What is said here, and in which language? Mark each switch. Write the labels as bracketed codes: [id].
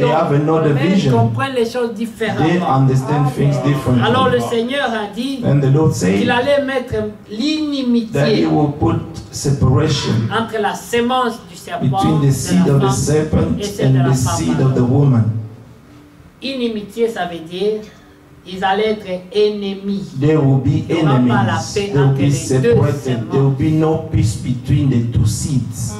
[en] they have another vision. [fr] Ils comprennent les choses différemment. [en] They understand amen. Things differently. [fr] Alors le Seigneur a dit [en] and the Lord said [fr] qu'il allait mettre l'inimitié [en] that he will put separation [fr] entre la semence du serpent [en] between the seed of the serpent and the seed of the woman. [fr] Inimitié, ça veut dire ils allaient être ennemis. [en] There will be enemies. [fr] Il n'y aura pas la paix entre [en] be [fr] les [en] separated. [fr] Deux semences. [en] There will be no peace between the two seeds.